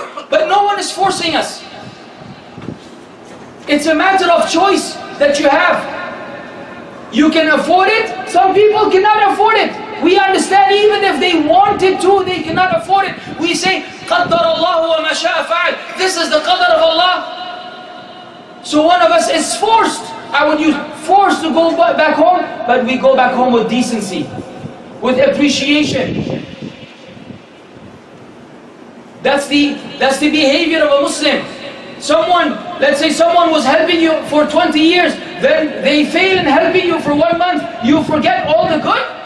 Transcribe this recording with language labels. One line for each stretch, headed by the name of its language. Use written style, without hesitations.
English: But no one is forcing us. It's a matter of choice that you have. You can afford it. Some people cannot afford it. We understand even if they wanted to, they cannot afford it.
Arabic: We say, قَدَّرَ اللَّهُ وَمَا شَاءَ فَعَلْ.
English: This is the qadr of Allah. So one of us is forced, I would use forced to go back home, but we go back home with decency, with appreciation. That's the behavior of a Muslim. Someone, let's say someone was helping you for 20 years, then they fail in helping you for 1 month, you forget all the good?